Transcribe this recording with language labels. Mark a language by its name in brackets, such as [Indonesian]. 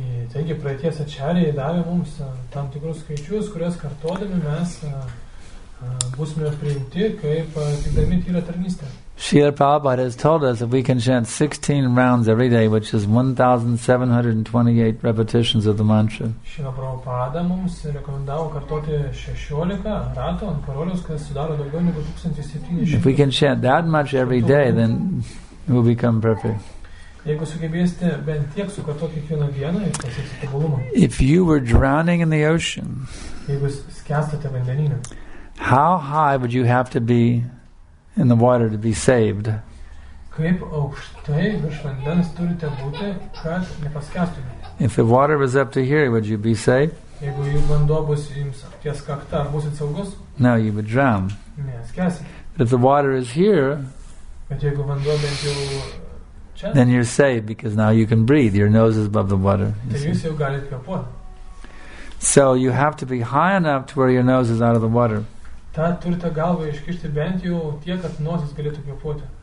[Lithuanian] Taigi praeities ačiariai davė mums tam tikrus skaičius, kurias kartodami mes būsime priimti, kaip tikdami tyra tarnystė. [English] Srila Prabhupada has told us that we can chant 16 rounds every day, which is 1,728 repetitions of the mantra. [Lithuanian] Srila Prabhupada mums rekomendavo kartoti 16 ratų ant karolius, kas sudaro daugiau negu 1,700. [English] If we can chant that much every day, then it will become perfect. [Lithuanian] Jeigu sugebėsite bent tiek sukartoti kiekvieną dieną, jūs pasieksite tobulumą. [English] If you were drowning in the ocean, [Lithuanian] jeigu skęstate vandenyne, [English] how high would you have to be in the water to be saved? [Lithuanian] Kaip aukštai virš vandens turite būti, kad nepaskęstumėte? [English] If the water was up to here, would you be safe? [Lithuanian] Jeigu jų vanduo bus jums ties kakta, ar būsit saugus? [English] No, you would drown. [Lithuanian] Ne, skęsite. [English] But if the water is here, [Lithuanian] bet jeigu vanduo bent jau čia, [English] then you're safe, because now you can breathe. Your nose is above the water. [Lithuanian] Tai jūs jau galite kvėpuoti. [English] So you have to be high enough to where your nose is out of the water. [Lithuanian] Ta turite galvą iškišti bent jau tiek, kad nosis galėtų kvėpuoti.